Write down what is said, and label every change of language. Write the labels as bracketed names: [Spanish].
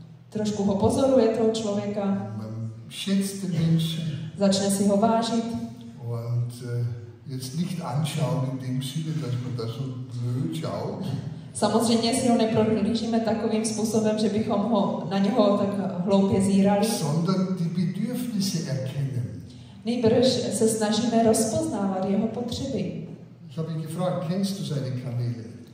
[Czech] Trošku ho pozoruje toho člověka. [German] Man schätzt den Menschen. [Czech] Začne si ho vážit. [German] Und jetzt nicht anschauen in dem Sinne, dass man da so blöd schaut. [Czech] Samozřejmě si ho neprohlížíme takovým způsobem, že bychom ho na něho tak hloupě zírali. [German] Sondern die Bedürfnisse erkennen. [Czech] Nejbrž se snažíme rozpoznávat jeho potřeby. [German] Ich habe ihn gefragt, kennst du seine Kamele?